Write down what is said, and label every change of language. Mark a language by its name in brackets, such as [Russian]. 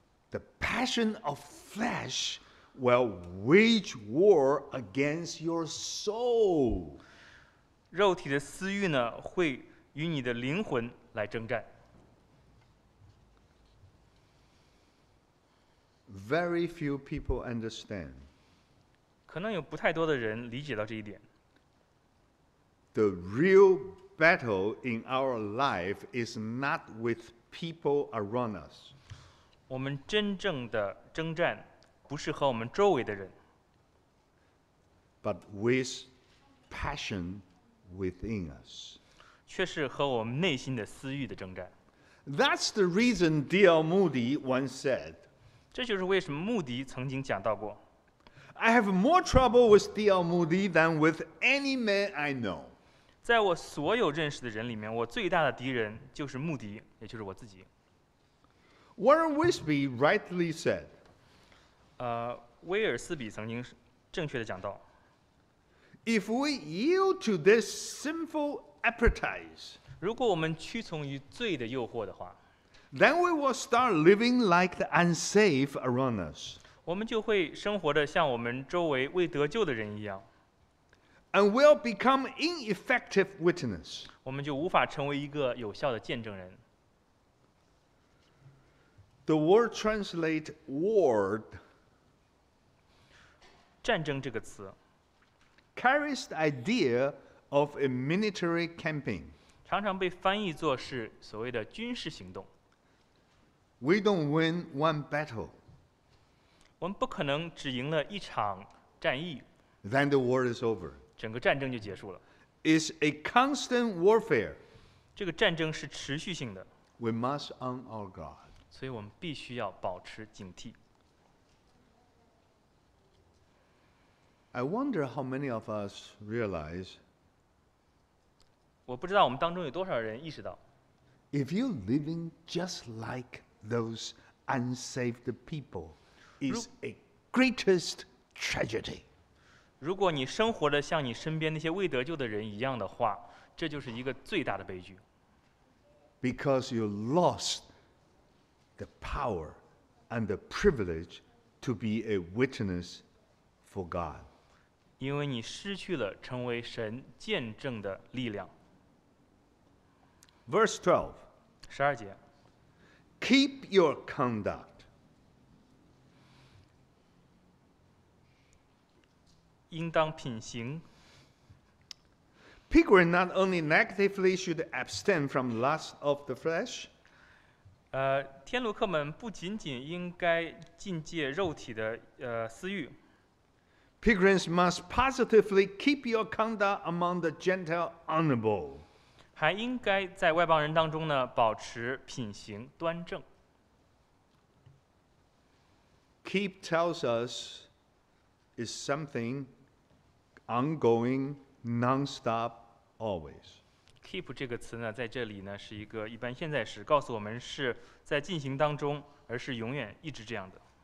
[English] ，the passion of flesh will wage war against your soul. [Chinese] 肉体的私欲呢，会与你的灵魂来征战。 [English] Very few people understand. [Chinese] 可能有不太多的人理解到这一点。 [English] The real battle in our life is not with people around us. [Chinese] 我们真正的征战不是和我们周围的人。 [English] But with passion within us. [Chinese] 却是和我们内心的私欲的征战。 [English] That's the reason D.L. Moody once said, [Chinese] 这就是为什么穆迪曾经讲到过。 [English] I have more trouble with D.L. Moody than with any man I know. [Chinese] 在我所有认识的人里面，我最大的敌人就是穆迪，也就是我自己。 [English] Warren Wisby rightly said. [Chinese] 威尔斯比曾经正确的讲到。 [English] If we yield to this sinful appetite, [Chinese] 如果我们屈从于罪的诱惑的话。 [English] Then we will start living like the unsafe around us. [Chinese] 我们就会生活的像我们周围未得救的人一样。 [English] And we'll become ineffective witness. [Chinese] 我们就无法成为一个有效的见证人。 [English] The word translate "ward" [Chinese] 战争这个词 [English] carries the idea of a military campaign. [Chinese] 常常被翻译作是所谓的军事行动。 [English] We don't win one battle. [Chinese] 我们不可能只赢了一场战役。 [English] Then the war is over. [Chinese] 整个战争就结束了。 [English] It's a constant warfare. [Chinese] 这个战争是持续性的。 [English] We must on our guard. [Chinese] 所以我们必须要保持警惕。 [English] I wonder how many of us realize. [Chinese] 我不知道我们当中有多少人意识到。 [English] If you're living just like those unsaved people is a greatest tragedy. [Chinese] 如果你生活的像你身边那些未得救的人一样的话，这就是一个最大的悲剧。 [English] Because you lost the power and the privilege to be a witness for God. [Chinese] 因为你失去了成为神见证的力量。 [English] Verse 12. [Chinese] 十二节。 [English] Keep your conduct. [Chinese] 应当品行。 [English] Pilgrim not only negatively should abstain from lust of the flesh. [Chinese] 天路客们不仅仅应该禁戒肉体的私欲。 [English] Pilgrims must positively keep your conduct among the Gentile honorable. [Chinese] 还应该在外邦人当中呢保持品行端正。 [English] Keep tells us is something ongoing, non-stop, always. [Chinese] Keep 这个词呢，在这里呢是一个一般现在时，告诉我们是在进行当中，而是永远一直这样的。